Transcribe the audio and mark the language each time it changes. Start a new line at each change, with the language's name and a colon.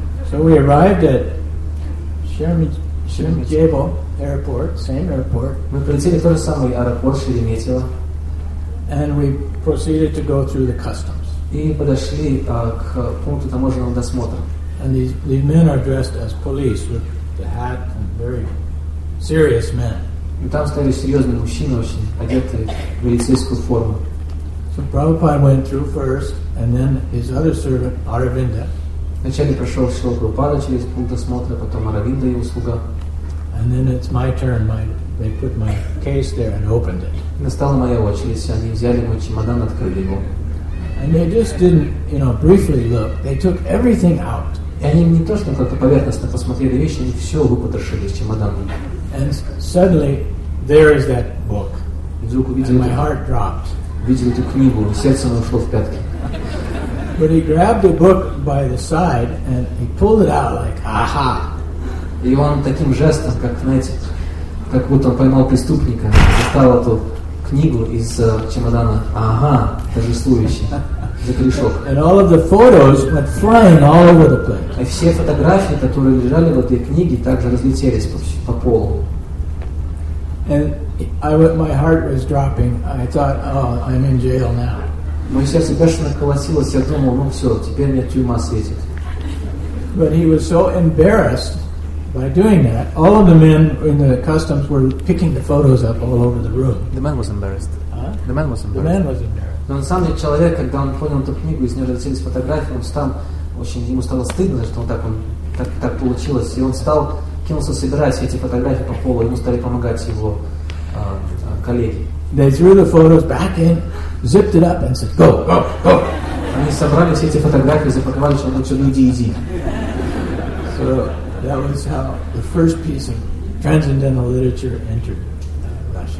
English: So we arrived at Sheremetyevo airport, same airport.
Russian: Мы прилетели в тот же самый аэропорт Шереметьево.
English: And we proceeded to go through the customs.
Russian: и подошли к пункту таможенного досмотра.
English: And these men are dressed as police with the hat and very serious men.
Russian: И там стояли серьезные мужчины, очень одетые в полицейскую форму.
English: So Prabhupada went through first, and then his other servant, Aravinda.
Russian: Вначале прошел Шрила Прабхупада через пункт осмотра, потом Аравинда, его слуга.
English: And then it's my turn. They put my case there and opened it.
Russian: Настала моя очередь, они взяли мой чемодан, открыли его.
English: And they just didn't, you know, briefly look. They took everything out.
Russian: И они не то, что как-то поверхностно посмотрели вещи, они все выпотрошили из чемодана.
English: And suddenly, there is that book.
Russian: Вдруг увидел
English: and my heart dropped.
Russian: Видел эту книгу, и сердце мое ушло в пятки.
English: But he grabbed the book by the side and he pulled it out like, aha!
Russian: И он таким жестом, как, знаете, как будто он поймал преступника, достал эту книгу из чемодана, ага, торжествующе, за корешок.
English: And all of the photos went flying all over the place.
Russian: И все фотографии, которые лежали в этой книге, также разлетелись по полу.
English: And my heart was dropping. I thought, oh, I'm in jail now.
Russian: Мое сердце бешено колотилось, я думал, ну все, теперь мне тюрьма светит.
English: But he was so embarrassed by doing that. All of the men in the customs were picking the photos up all over the room. The man was embarrassed. Huh? The man was embarrassed. The man was embarrassed.
Russian: Но на самом деле человек, когда он понял эту книгу, из нее разлетелись фотографии, он стал очень, ему стало стыдно, что он так, он так, так получилось, и он стал кинулся собирать эти фотографии по полу, ему стали помогать его коллеги.
English: They threw the photos back in. Zipped it up and said, "Go, go, go!"
Russian: Они собрали все эти фотографии, запаковали, что лучше иди, иди.
English: So that was how the first piece of transcendental literature entered Russia.